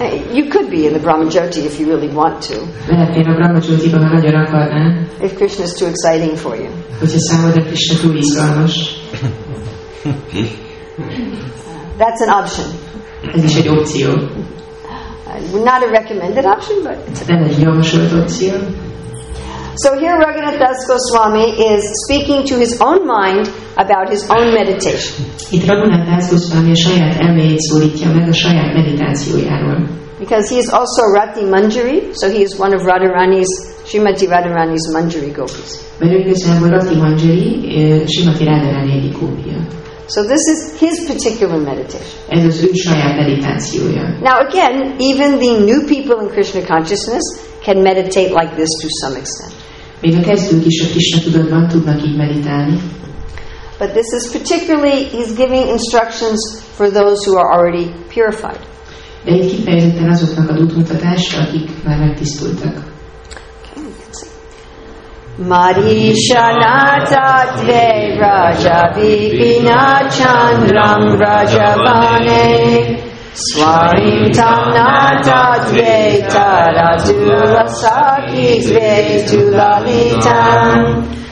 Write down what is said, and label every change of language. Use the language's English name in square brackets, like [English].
[English] You could be in the Brahmajyoti if you really want to. [Hungarian] Lehet, én a Brahmajyotiban, ha nagyon akarnám. [English] If Krishna is too exciting for you. [Hungarian] Hogyha számodra Krishna túl izgalmas. [English] That's an option. [Hungarian] Ez is egy opció. [English] Not a recommended option, but it's a option. So here Raghunath Das Goswami is speaking to his own mind about his own meditation. [Hungarian] Itt Raghunath Das Goswami a saját elméjét szólítja meg a saját meditációjáról. [English] Because he is also Rati Manjari, so he is one of Radharani's, Srimati Radharani's Manjari gopis. [Hungarian] Mert ő igazából Rati Manjari, Srimati Radharani egyik gópia. [English] So this is his particular meditation. [Hungarian] Ez az ő saját meditációja. [English] Now again, even the new people in Krishna consciousness can meditate like this to some extent. [Hungarian] Még a kezdők is a Krishna tudatban tudnak így meditálni. [English] But this is particularly, he's giving instructions for those who are already purified. [Hungarian] De itt kifejezetten azoknak az útmutatásra, akik már megtisztultak. Marisha nata dve raja vipina chandram rajabane Swarim tam nata dve tara tula saki dve tula litam